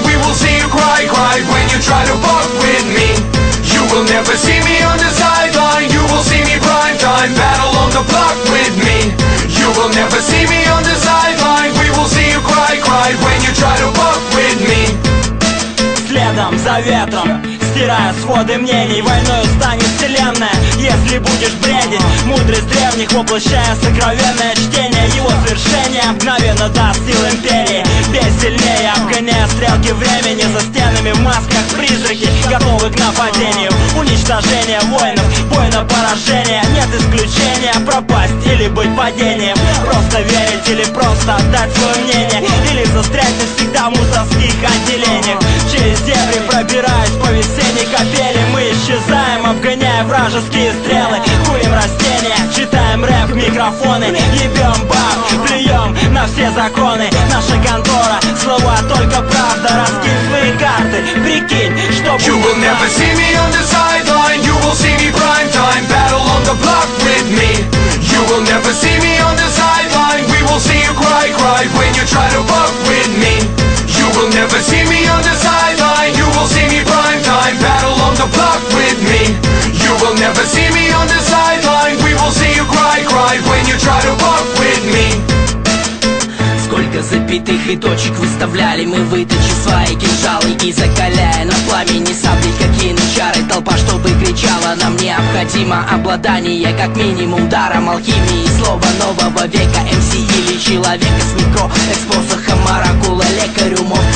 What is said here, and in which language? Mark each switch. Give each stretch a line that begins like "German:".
English: We will see you cry, cry when you try to buck with me. You will never see me on the sideline. You will see me prime time. Battle on the block with me. You will never see me on the sideline. We will see you cry, cry when you try to buck with me.
Russian: Следом за ветром. Стирая своды мнений, войною станет вселенная, если будешь бредить. Мудрость древних воплощая сокровенное чтение. Его свершение мгновенно даст сил империи. Бей сильнее, обгоняя стрелки времени. За стенами в масках призраки готовы к нападению. Уничтожение воинов, бой на поражение. Нет исключения, пропасть или быть падением. Просто верить или просто отдать свое мнение. Или застрять навсегда в мусорских отделениях. Через дебри пробираюсь по весне. Капели, мы исчезаем, обгоняя вражеские стрелы. Курим растения, читаем рэп, микрофоны. Ебем баб, плюем на все законы. Наша контора, слова только правда. Раскинь свои карты, прикинь, что будет.
English: You will never see me on the sideline. You will see me prime time. Battle on the block with me. You will never see me on the sideline. We will see you cry, cry when you try to buck with me. You will never see me on the sideline. You will see me prime time. Battle on the block with me. You will never see me on the sideline. We will see you cry, cry when you try to buck with me.
Russian: Сколько запятых и точек выставляли мы, вытащи свои кинжалы и закаляя на пламени сабли, какие начары. Толпа, чтобы кричала, нам необходимо обладание как минимум даром алхимии. Слово нового века, МС или человека с микро, экспосохом, оракула, лекарю мозг.